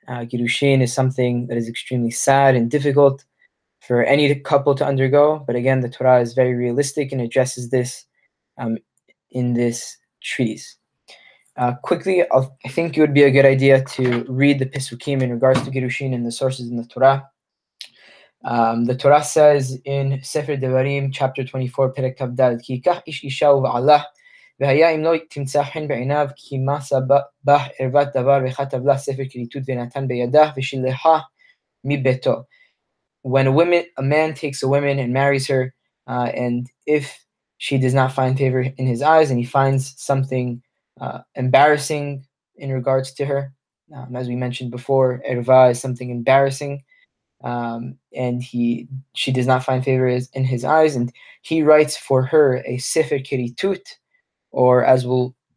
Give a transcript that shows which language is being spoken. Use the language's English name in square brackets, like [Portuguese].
[English] Girushin is something that is extremely sad and difficult for any couple to undergo. But again, the Torah is very realistic and addresses this in this treatise. Quickly, I think it would be a good idea to read the Pesukim in regards to Girushin and the sources in the Torah. The Torah says in Sefer Devarim, chapter 24, Perek Kavdal, [Hebrew] Ki kach ish isha uva'ala, והיה אם לא תמצא חן בעיניו כי מסה בה ערוות דבר וכתב לה ספר כליתות ונתן בידה ושילחה מביתו. [English] When a man takes a woman and marries her, and if she does not find favor in his eyes and he finds something embarrassing in regards to her, as we mentioned before, erva is something embarrassing, and she does not find favor in his eyes, and he writes for her a sefer kiritut, or as we'll